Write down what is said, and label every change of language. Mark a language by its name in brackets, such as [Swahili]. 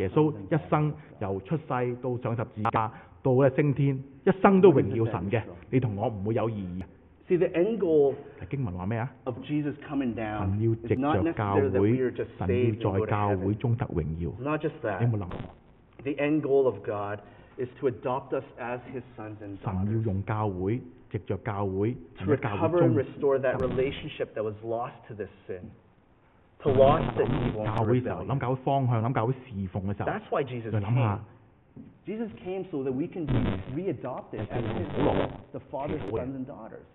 [Cantonese] 耶穌一生由出世到上十字架到咧升天，一生都榮耀神嘅，你同我唔會有異議。 [English] See the end goal. [Cantonese] 經文話咩啊？ [English] Of Jesus coming down. [Cantonese] 神要藉著教會，神要在教會中得榮耀。 [English] Not just that. [Cantonese] 有冇諗過？ [English] The end goal of God is to adopt us as His sons and daughters. [Cantonese] 神要用教會。藉著教會，神的教會中，得回那 [English] relationship that was lost to this sin, to lost the evil. [Cantonese] 教會時候諗教會方向，諗教會侍奉嘅時候， [English] That's why Jesus came. Jesus came so that we can be re-adopted as His the Father's sons and daughters.